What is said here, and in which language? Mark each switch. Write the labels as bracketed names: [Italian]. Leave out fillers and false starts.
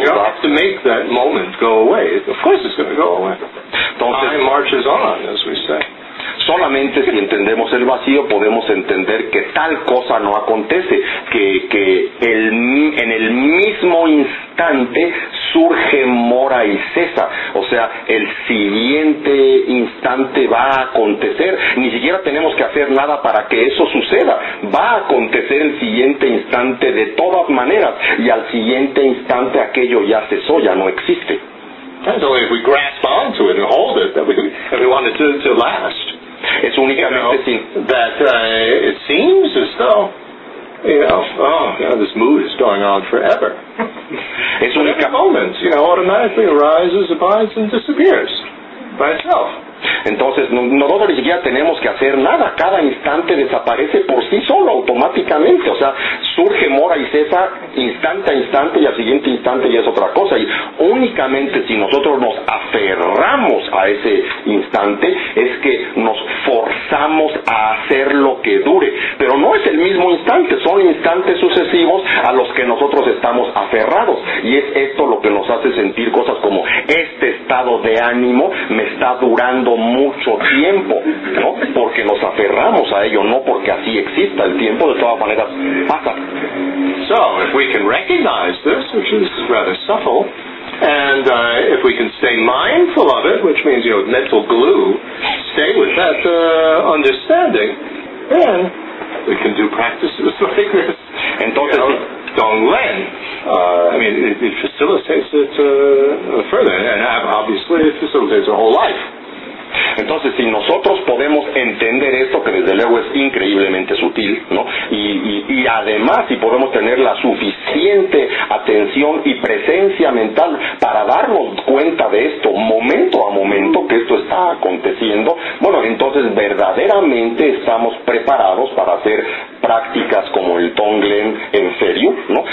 [English] You have to make that moment go away. Of course it's going to go away. [Spanish] Entonces, [English] time marches on, as we say. [Spanish] Solamente si entendemos el vacío podemos entender que tal cosa no acontece, que el, en el mismo instante surge, mora y cesa. O sea, el siguiente instante va a acontecer. Ni siquiera tenemos que hacer nada para que eso suceda. Va a acontecer el siguiente instante de todas maneras, y al siguiente instante aquello ya cesó, ya no existe. [English] That's only if we grasp onto it and hold it that we want it to last. It's [Spanish] únicamente [English] it seems as though, this mood is going on forever. It's a moment, automatically arises, abides, and disappears by itself. [Spanish] Entonces, nosotros ni siquiera tenemos que hacer nada. Cada instante desaparece por sí solo, automáticamente. O sea, surge, mora y cesa, instante a instante, y al siguiente instante ya es otra cosa. Y únicamente si nosotros nos aferramos a ese instante, es que nos forzamos a hacer lo que dure. Pero no es el mismo instante, son instantes sucesivos a los que nosotros estamos aferrados. Y es esto lo que nos hace sentir cosas como, este estado de ánimo me está durando mucho tiempo, ¿no? Porque nos aferramos a ello, no porque así exista el tiempo, de todas maneras pasa. [English] So, if we can recognize this, which is rather subtle, and if we can stay mindful of it, which means, mental glue, stay with that understanding, then we can do practices like this. [Spanish] Entonces, [English] it facilitates it further, and obviously it facilitates our whole life. [Spanish] Entonces, si nosotros podemos entender esto, que desde luego es increíblemente sutil, ¿no? Y además, si podemos tener la suficiente atención y presencia mental para darnos cuenta de esto momento a momento, que esto está aconteciendo, bueno, entonces verdaderamente estamos preparados para hacer prácticas como el Tonglen en serio, ¿no?